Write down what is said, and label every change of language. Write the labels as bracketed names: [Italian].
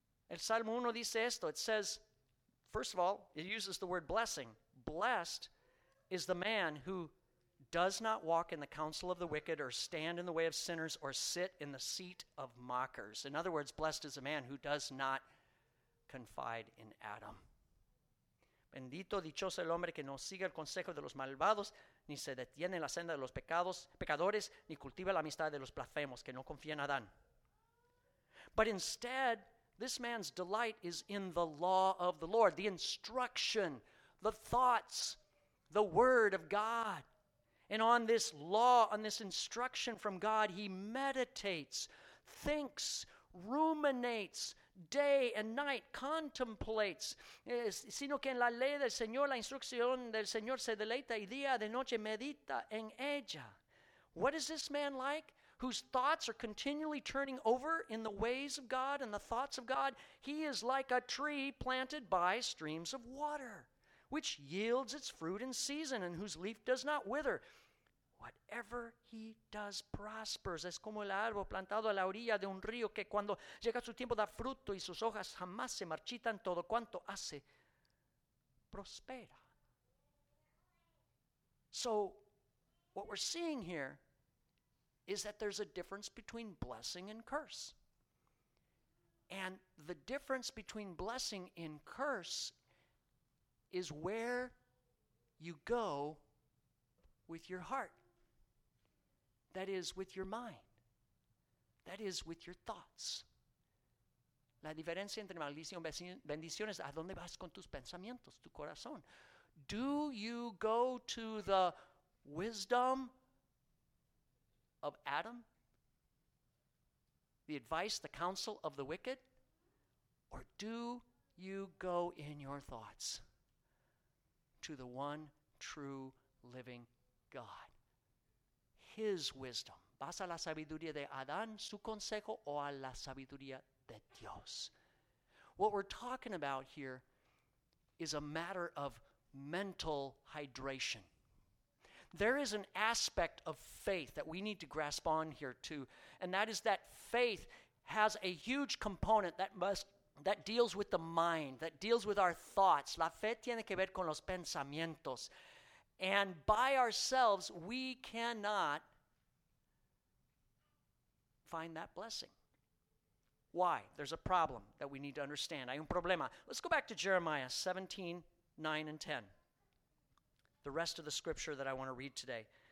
[Spanish] El Salmo 1 dice esto. [English] It says, first of all, it uses the word blessing. Blessed is the man who does not walk in the counsel of the wicked or stand in the way of sinners or sit in the seat of mockers. In other words, blessed is a man who does not confide in Adam. [Spanish] Bendito, dichoso el hombre que no sigue el consejo de los malvados, ni se detiene en la senda de los pecadores, ni cultiva la amistad de los blasfemos, que no confía en Adán. [English] But instead, this man's delight is in the law of the Lord, the instruction, the thoughts, the word of God. And on this law, on this instruction from God, he meditates, thinks, ruminates day and night, contemplates. [Spanish] Sino que en la ley del Señor, la instrucción del Señor se deleita y día de noche medita en ella. [English] What is this man like whose thoughts are continually turning over in the ways of God and the thoughts of God? He is like a tree planted by streams of water, which yields its fruit in season and whose leaf does not wither. Whatever he does prospers. [Spanish] Es como el árbol plantado a la orilla de un río que cuando llega su tiempo da fruto y sus hojas jamás se marchitan. Todo cuanto hace prospera. [English] So what we're seeing here is that there's a difference between blessing and curse. And the difference between blessing and curse is where you go with your heart. That is, with your mind. That is, with your thoughts. [Spanish] La diferencia entre maldición y bendición es a dónde vas con tus pensamientos, tu corazón. [English] Do you go to the wisdom of Adam, the advice, the counsel of the wicked? Or do you go in your thoughts to the one true living God? His wisdom. [Spanish] ¿Vas a la sabiduría de Adán, su consejo, o a la sabiduría de Dios? [English] What we're talking about here is a matter of mental hydration. There is an aspect of faith that we need to grasp on here too, and that is that faith has a huge component that deals with the mind, that deals with our thoughts. [Spanish] La fe tiene que ver con los pensamientos. [English] And by ourselves, we cannot find that blessing. Why? There's a problem that we need to understand. [Spanish] Hay un problema. [English] Let's go back to Jeremiah 17, 9 and 10. The rest of the scripture that I want to read today.